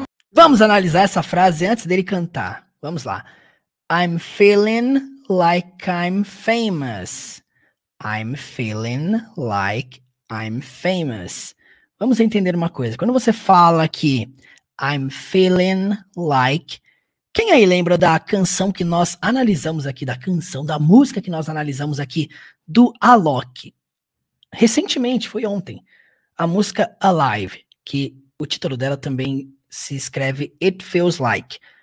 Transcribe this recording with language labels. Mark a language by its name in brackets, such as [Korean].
[Portuguese] Vamos analisar essa frase antes dele cantar. Vamos lá. [English] I'm feeling like I'm famous. I'm feeling like I'm famous. [Portuguese] Vamos entender uma coisa. Quando você fala que [English] I'm feeling like... [Portuguese] Quem aí lembra da canção que nós analisamos aqui, da canção, da música que nós analisamos aqui, do Alok? Recentemente, foi ontem, a música Alive, que o título dela também se escreve It Feels Like.